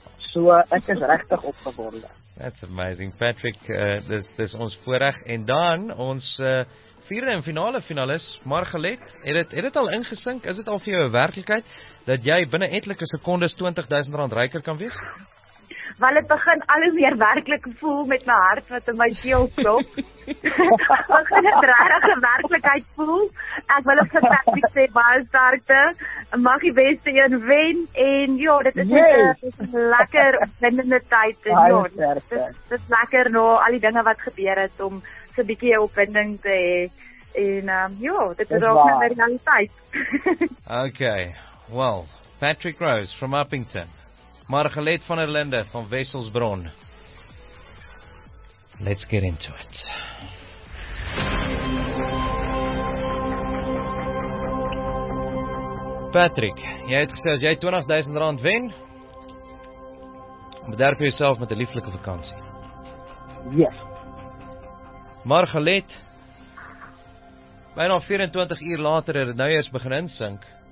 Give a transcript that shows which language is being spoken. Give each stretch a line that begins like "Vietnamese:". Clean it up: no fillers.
Afrikaans: So ek is regtig opgewonde.
English: That's amazing, Patrick.
Afrikaans: Dis ons voorreg. En dan ons vierde en finale finalis, Margalet. Het dit al ingesink? Is dit al vir jou 'n werklikheid dat jy binne etlike sekondes R20,000 ryker kan wees? Wel, het begin al hoe meer werklik voel met my hart wat in my keel klop. Begin het regtig 'n werklikheid voel. Ek wil ook vir Patrick sê baie sterkte. Mag die beste een wen. En ja, dit is net 'n lekker opwindende tyd. En ja, dit is lekker na nou, al die dinge wat gebeur het om so 'n bietjie opwinding te hê. En ja, dit is ook 'n realiteit.
English: Okay, well, Patrick Rose from Upington.
Afrikaans: Margalet van der Linde van Wesselsbron.
English: Let's get into it.
Afrikaans: Patrick, jy het gesê as jy R20,000 wen, bederf jy jouself met 'n lieflike vakansie.
English: Yes.
Afrikaans: Margalet, byna 24 uur later het dit nou eers begin insink.